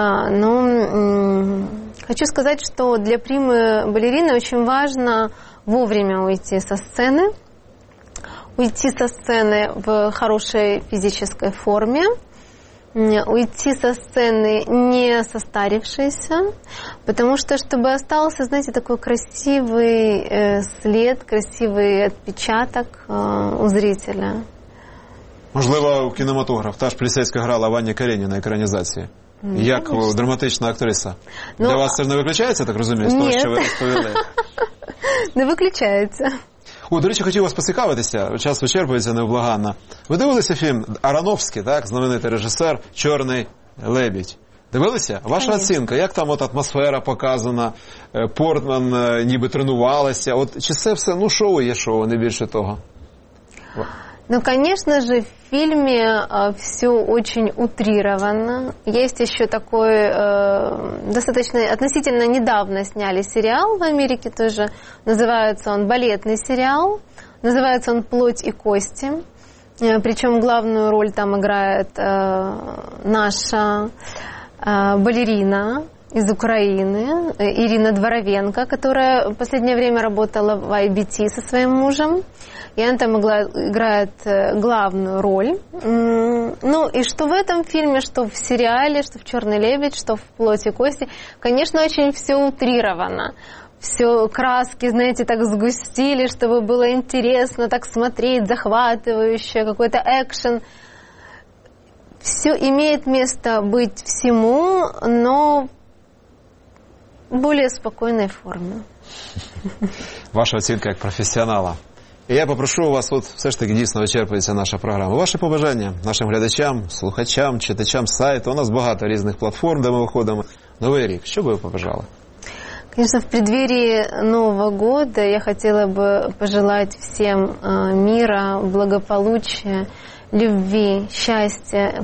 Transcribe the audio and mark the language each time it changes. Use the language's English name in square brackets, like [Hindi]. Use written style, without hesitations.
[Ukrainian] Ну, хочу сказати, що для прими балерини дуже важливо [Russian] вовремя уйти со сцени. Уйти со сцены в хорошей физической форме, уйти со сцены не состарившейся, потому что, чтобы остался, знаете, такой красивый след, красивый отпечаток у зрителя. [Ukrainian] Можливо, у кинематограф. Та ж Плісецька грала Ваня Кареніна на экранизации. Ну, як конечно. Драматична актриса. Ну, для вас це ж не виключається, так розумію, з того, що ви розповіли? Не виключається. О, до речі, хотів вас поцікавитися, час вичерпується невблаганно. Ви дивилися фільм Арановський, так, знаменитий режисер «Чорний лебідь». Дивилися? Ваша Конечно. Оцінка, як там от атмосфера показана, Портман ніби тренувалася, от, чи це все, ну, шоу є шоу, не більше того? Ну, звісно ж, в фільмі все дуже утрировано. Є ще такий, достатньо, відносно недавно зняли серіал в Америці теж. Називається він «Балетний серіал». Називається він «Плоть і кості». Причому головну роль там грає наша балерина з України, Ірина Дворовенко, яка останнє час працювала в IBT зі своїм мужем. [Russian] И она там играет главную роль. Ну, и что в этом фильме, что в сериале, что в «Черный лебедь», что в «Плоти и кости», конечно, очень все утрировано. Все краски, знаете, так сгустили, чтобы было интересно так смотреть, захватывающе, какой-то экшен. Все имеет место быть всему, но в более спокойной форме. Ваша оценка как профессионала. [Ukrainian] І я попрошу вас, от все ж таки дійсно вичерпується наша програма. Ваше побажання нашим глядачам, слухачам, читачам сайту. У нас багато різних платформ, де ми виходимо. Новий рік. Що би ви побажали? Звісно, [Russian] в преддверии Нового года [Ukrainian] я хотіла б пожелати всім міра, благополуччя, любви, щастя.